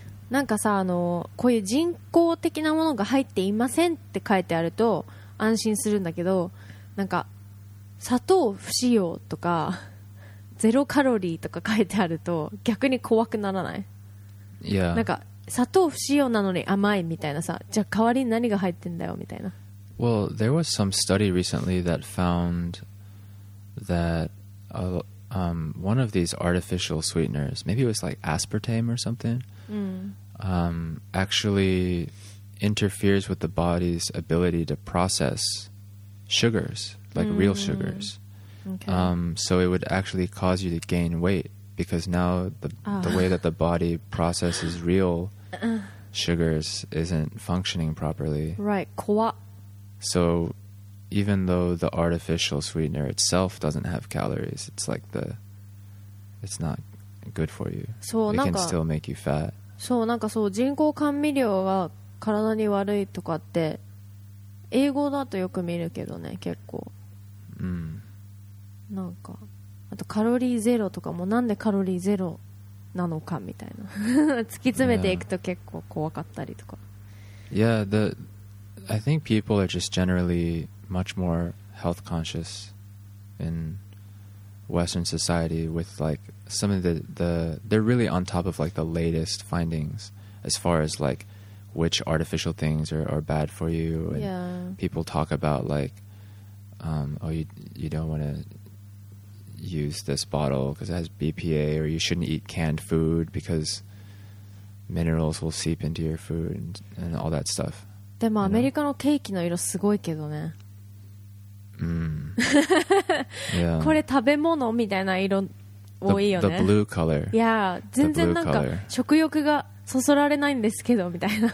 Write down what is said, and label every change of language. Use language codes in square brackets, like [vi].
[ja] なんかさ、こういう人工的なものが入っていませんって書いてあると安心するんだけど、なんか砂糖不使用とかゼロカロリーとか書いてあると逆に怖くならない？いや、なんか砂糖不使用なのに甘いみたいなさ、じゃあ代わりに何が入ってんだよみたいな。 [en] Well, there was some study recently that found that one of these artificial sweeteners, maybe it was like aspartame or something, actually interferes with the body's ability to process sugars, like real sugars. Okay. So it would actually cause you to gain weight because now the way that the body processes real sugars isn't functioning properly. Right, [ja] 怖っ。 [en] So even though the artificial sweetener itself doesn't have calories, it's like the, it's not good for you. [ja] そう、なんか、 [en] it can still make you fat. [ja] そう、なんかそう、人工甘味料が体に悪いとかって英語だとよく見るけどね、結構。うん。なんかあとカロリーゼロとかも、なんでカロリーゼロなのかみたいな突き詰めていくと結構怖かったりとか。 [en] Yeah, I think people are just generally much more health conscious in Western society with like some of they're really on top of like the latest findings as far as like which artificial things are bad for you, and yeah. People talk about like you don't want to use this bottle because it has BPA, or you shouldn't eat canned food because minerals will seep into your food and all that stuff. [ja] でもアメリカのケーキの色すごいけどね。これ食べ物みたいな色多いよね。 [en] The blue color. Yeah, [ja] 全然なんか食欲がそそられないんですけどみたいな。